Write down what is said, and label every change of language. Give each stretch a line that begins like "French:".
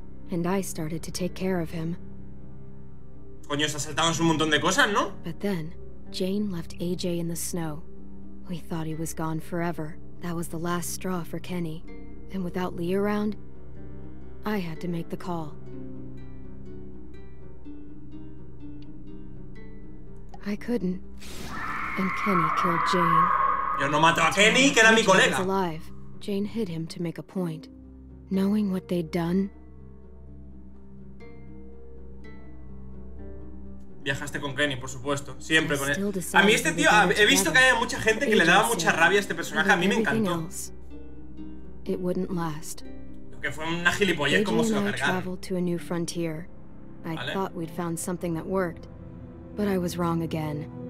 English: And I started to take care of him.
Spanish: Coño, se ha saltado un montón de cosas, ¿no?
English: But then, Jane left AJ in the snow. We thought he was gone forever. That was the last straw for Kenny. And without Lee around, I had to make the call. I couldn't. And Kenny killed Jane.
Spanish: Yo no mato a Kenny, que era mi colega.
English: Was alive. Jane hit him to make a point. Knowing what they'd done.
Spanish: Viajaste con Kenny, por supuesto. Siempre con él. A mí este tío, he visto que hay mucha gente que le daba mucha rabia a este personaje. A mí me encantó.
English: It wouldn't last.
Spanish: Que fue una gilipollez como se lo cargaron. AJ y yo
English: traveled to a new frontier. I thought we'd found something that worked, but I was wrong again.